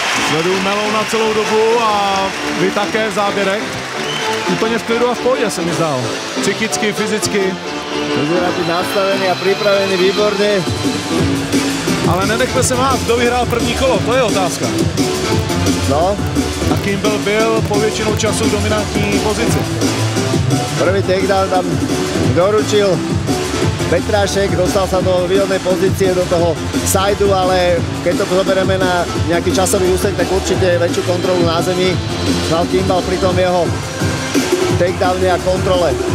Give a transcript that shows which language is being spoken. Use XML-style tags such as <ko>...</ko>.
<cs>Sledujú Melona celou dobu a vy také v záběrech.</cs> <sk>Úplne v klidu a v pohode sa mi zdal. Psychicky, fyzicky. Vyzerá byť nastavený a pripravený výborne.</sk> <cs>Ale nenechme se mát, kdo vyhrál první kolo, to je otázka. No. A Kimball byl po většinu času v dominantní pozici. První takedown tam doručil Petrášek, dostal se do výhodné pozície, do toho sideu, ale</cs> <sk>keď to zobereme</sk> <cs>na nějaký časový úsek, tak určitě větší kontrolu na zemi mal Kimball při tom jeho takedowně a kontrole.</cs>